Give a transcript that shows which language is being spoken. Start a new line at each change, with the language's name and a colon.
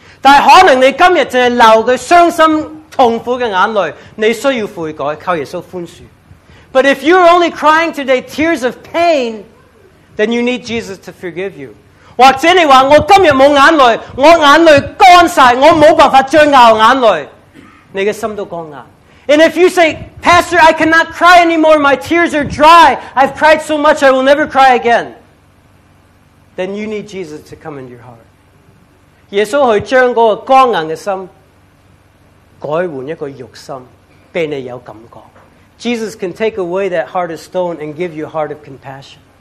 Cantonese: 但可能你今日净系流佢伤心痛苦嘅眼泪，你需要悔改，靠耶稣宽恕。
English: But if you're only crying today tears of pain, then you need Jesus to forgive you.
Cantonese: 或者你话我今日冇眼泪，我眼泪干晒，我冇办法再熬眼泪，你嘅心都干硬。
English: And if you say, Pastor, I cannot cry anymore, my tears are dry, I've cried so much, I will never cry again, then you need Jesus to come into your heart.
Cantonese: 耶稣去将嗰个光硬嘅心改换一个肉心，俾你有感觉。
English: Jesus can take away that heart of stone and give you a heart of compassion.